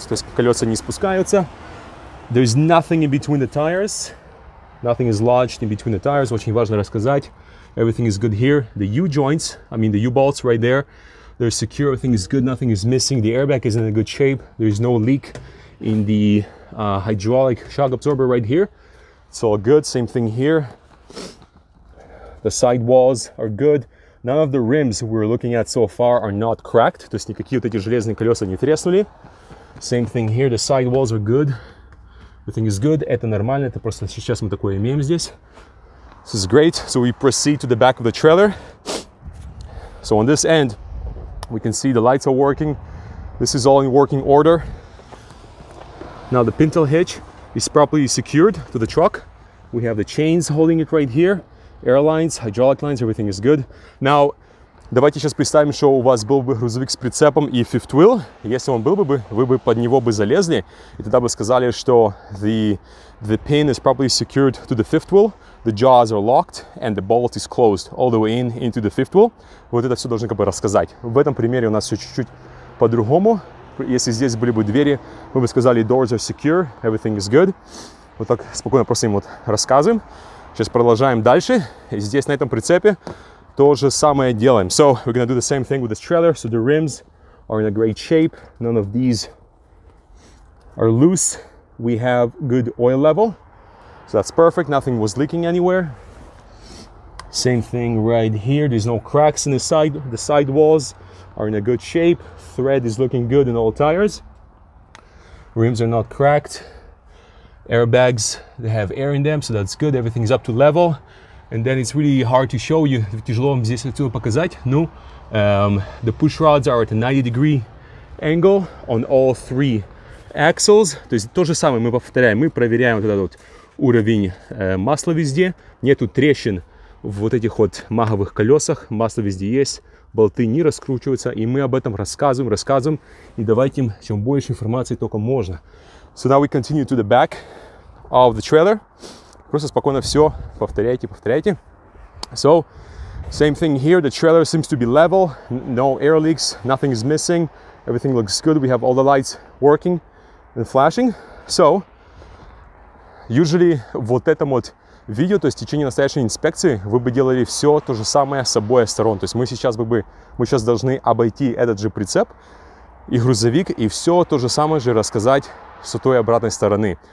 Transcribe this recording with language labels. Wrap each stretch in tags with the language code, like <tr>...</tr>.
<ru>То есть, колеса не спускаются.</ru> <en>There's nothing in between the tires. Nothing is lodged in between the tires.</en> <ru>Очень важно рассказать.</ru> <en>Everything is good here. The U-joints, I mean the U-bolts right there, they're secure. Everything is good. Nothing is missing. The airbag is in a good shape. There's no leak in the hydraulic shock absorber right here. It's all good. Same thing here. The side walls are good. None of the rims we're looking at so far are not cracked.</en> <ru>То есть никакие вот эти железные колеса не треснули.</ru> <en>Same thing here. The side walls are good. Everything is good.</en> <ru>Это нормально. Это просто сейчас мы такое имеем здесь.</ru> <en>This is great. So we proceed to the back of the trailer. So on this end, we can see the lights are working. This is all in working order. Now the pintle hitch is properly secured to the truck. We have the chains holding it right here. Air lines, hydraulic lines, everything is good.</en> <ru>Now, давайте сейчас представим, что у вас был бы грузовик с прицепом и fifth wheel. Если он был бы, вы бы под него бы залезли. И тогда бы сказали, что</ru> <en>the pin is properly secured to the fifth wheel. The jaws are locked and the bolt is closed all the way in into the fifth wheel.</en> <ru>Вот это все должно как бы рассказать. В этом примере у нас все чуть-чуть по-другому. Если здесь были бы двери, мы бы сказали,</ru> <en>doors are secure, everything is good.</en> <ru>Вот так спокойно просто им вот рассказываем. Сейчас продолжаем дальше. И здесь на этом прицепе то же самое делаем.</ru> <en>So, we're gonna do the same thing with this trailer. So, the rims are in a great shape. None of these are loose. We have good oil level. So that's perfect. Nothing was leaking anywhere. Same thing right here. There's no cracks in the side. The side walls are in a good shape. Thread is looking good in all tires. Rims are not cracked. Airbags, they have air in them, so that's good. Everything's up to level. And then it's really hard to show you.</en> <ru>Тяжело вам здесь это показать.</ru> <en>Ну, the push rods are at a 90 degree angle on all three axles.</en> <ru>То есть то же самое мы повторяем. Мы проверяем вот этот вот уровень масла везде. Нету трещин в вот этих вот маговых колесах. Масло везде есть. Болты не раскручиваются. И мы об этом рассказываем, рассказываем. И давайте им чем больше информации только можно.</ru> <en>So now we continue to the back of the trailer.</en> <ru>Просто спокойно все повторяйте, повторяйте.</ru> <en>So, same thing here. The trailer seems to be level. No air leaks. Nothing is missing. Everything looks good. We have all the lights working and flashing. So, usually</en> <ru>вот этом вот видео, то есть в течение настоящей инспекции, вы бы делали все то же самое с обоих сторон. То есть мы сейчас должны обойти этот же прицеп и грузовик, и все то же самое же рассказать с той обратной стороны.</ru>